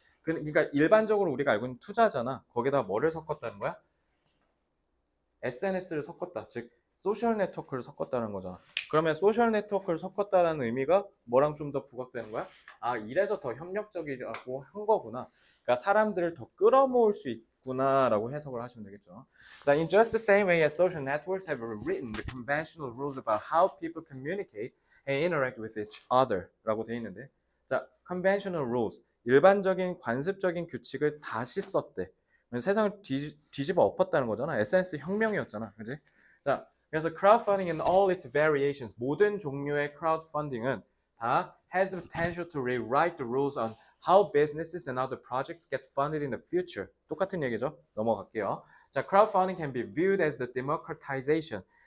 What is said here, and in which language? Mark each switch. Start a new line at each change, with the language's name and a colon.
Korean: 그러니까 일반적으로 우리가 알고 있는 투자잖아. 거기다가 뭐를 섞었다는 거야? SNS를 섞었다. 즉 소셜 네트워크를 섞었다는 거잖아. 그러면 소셜 네트워크를 섞었다는 의미가 뭐랑 좀더 부각되는 거야? 아, 이래서 더 협력적이라고 한 거구나. 그러니까 사람들을 더 끌어모을 수 있구나라고 해석을 하시면 되겠죠.
English: 자, in just the same way as social networks have rewritten the conventional rules about how people communicate and interact with each other
Korean: 라고 돼 있는데. 자,
English: conventional rules,
Korean: 일반적인 관습적인 규칙을 다시 썼대. 세상을 뒤집어 엎었다는 거잖아. SNS 혁명이었잖아. 그치?
English: 자, 그래서 crowdfunding in all its variations,
Korean: 모든 종류의 crowdfunding은 다
English: has the potential to rewrite the rules on how businesses and other projects get funded in the future.
Korean: 똑같은 얘기죠. 넘어갈게요.
English: 자, crowdfunding can be viewed as the democratization.